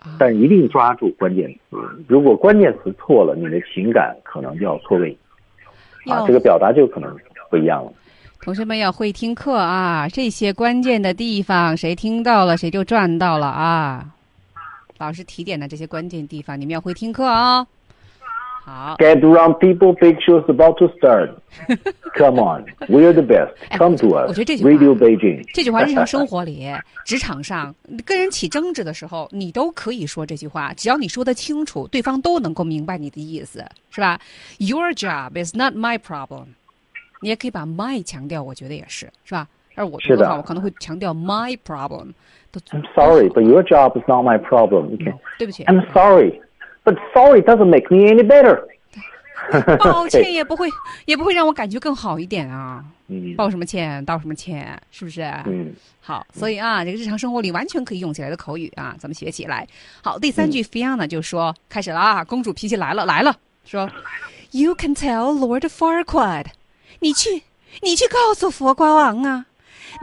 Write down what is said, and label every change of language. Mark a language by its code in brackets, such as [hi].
[zh] 但一定抓住关键词，如果关键词错了，你的情感可能就要错位啊，这个表达就可能不一样了。同学们要会听课啊，这些关键的地方谁听到了谁就赚到了啊，老师提点的这些关键地方你们要会听课啊、哦！好 [en] Get around people, big shows about to start. Come on, we're the best. Come to us. [zh] 我觉得这句话 [en] Radio Beijing [zh] 这句话日常生活里职场上跟人起争执的时候你都可以说这句话，只要你说得清楚，对方都能够明白你的意思，是吧？ [en] Your job is not my problem. [zh] 你也可以把 my 强调，我觉得也是，是吧？而我的话，我可能会强调 [en] my problem。 I'm sorry, but your job is not my problem. Okay. No, [zh] 对不起。 [en] I'm sorry, but sorry doesn't make me any better. [zh] 抱歉也不会也不会让我感觉更好一点啊。抱什么歉，道什么歉，是不是？嗯。好，所以啊，这个日常生活里完全可以用起来的口语啊，咱们学起来。好，第三句 Fiona 就说：“开始了啊，公主脾气来了，来了。” 说 ： [en] “You can tell Lord Farquaad， [zh] 你去告诉佛瓜王啊。”